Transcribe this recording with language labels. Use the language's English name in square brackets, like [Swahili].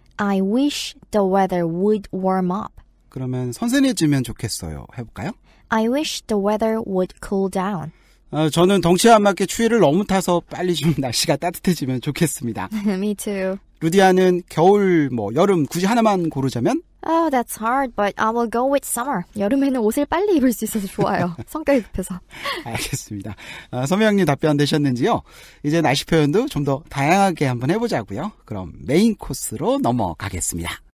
[English] I wish the weather would warm up. [Korean] 그러면 선선해지면 좋겠어요. 해볼까요? [English] I wish the weather would cool down. [Korean] 저는 덩치와 맞게 추위를 너무 타서 빨리 좀 날씨가 따뜻해지면 좋겠습니다. [English] Me too. [Korean] 루디아는 겨울, 뭐 여름 굳이 하나만 고르자면? [English] Oh, that's hard, but I will go with summer. [Korean] 여름에는 옷을 빨리 입을 수 있어서 좋아요. 성격이 급해서. 알겠습니다. 선미형님 답변 되셨는지요? 이제 날씨 표현도 좀 더 다양하게 한번 해보자고요. 그럼 메인 코스로 넘어가겠습니다.